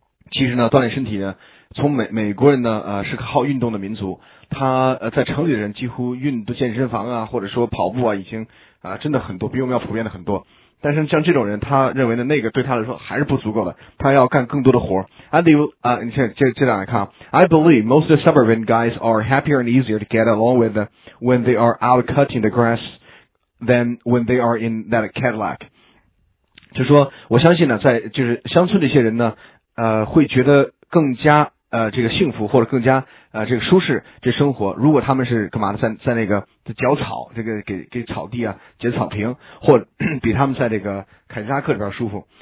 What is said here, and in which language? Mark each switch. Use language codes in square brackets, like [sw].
[zh] 其实呢，锻炼身体呢，从美国人呢，是个好运动的民族。他在城里的人几乎运动健身房啊，或者说跑步啊，已经真的很多，比我们要普遍的很多。但是像这种人，他认为呢，那个对他来说还是不足够的，他要干更多的活。你先接着来看。 [en] I believe most suburban guys are happier and easier to get along with when they are out cutting the grass than when they are in that Cadillac。 [zh] 就说我相信呢，在就是乡村这些人呢，会觉得更加这个幸福或者更加这个舒适这生活，如果他们是干嘛的，在那个剪草，这个给草地啊剪草坪，或者比他们在这个凯迪拉克里边舒服。